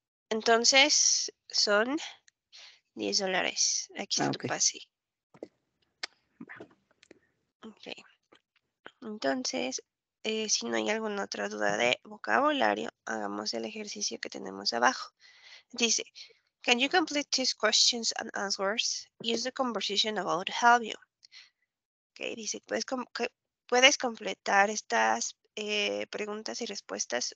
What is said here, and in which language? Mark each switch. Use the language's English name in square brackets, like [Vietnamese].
[Spanish] Entonces, son $10. Aquí está tu pase. Ok. Entonces, si no hay alguna otra duda de vocabulario, hagamos el ejercicio que tenemos abajo. [English] Dice, can you complete these questions and answers? Use the conversation about to help you. [Spanish] Ok, dice, ¿puedes completar estas preguntas y respuestas?